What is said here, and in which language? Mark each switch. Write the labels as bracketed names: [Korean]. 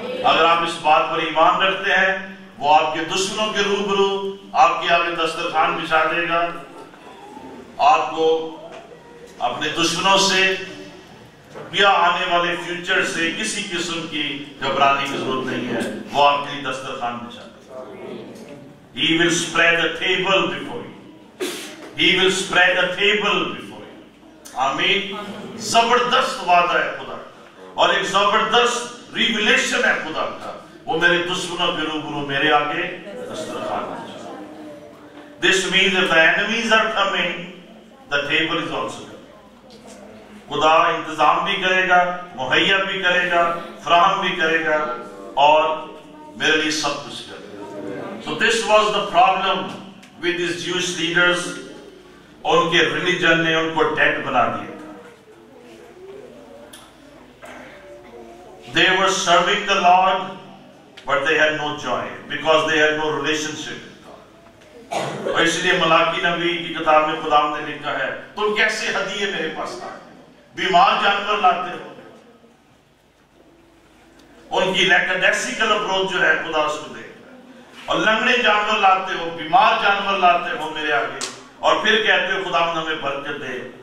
[Hindi] अगर आप इस बात पर ईमान रखते हैं वो आपके दुश्मनों के रूबरू आपके आगे दस्तरखान बिछा देगा, आपको अपने दुश्मनों से या आने वाले फ्यूचर से किसी किस्म की घबराने की जरूरत नहीं है, वो आपके लिए दस्तरखान बिछा देगा। [English] He will spread a table before you. He will spread a table before you. Amen. [Hindi] जबरदस्त वादा है खुदा का और एक जबरदस्त रिविलेशन है खुदा का, वो मेरे दुश्मनों के रूबरू मेरे आगे दस्तरखान बिछा। [English] This means if the enemies are coming, the table is also coming. [Hindi] खुदा इंतजाम भी करेगा, मुहैया भी करेगा, फराहम भी करेगा और मेरे लिए सब कुछ करेगा। [English] So this was the problem with these Jewish leaders. [Hindi] उनके रिलीजन ने उनको डेड बना दिया था। [English] They were serving the Lord, but they had no joy because they had no relationship. [Hindi] और इसलिए मलाकी नबी की किताब में खुदा ने लिखा है, तुम कैसे हदीये मेरे पास आए? बीमार जानवर लाते हो, उनकी लैकडेसिकल अप्रोच जो है खुदा उसको देख रहा है, और लंगड़े जानवर लाते हो, बीमार जानवर लाते हो मेरे आगे और फिर कहते हो खुदा हमें बरकत दे।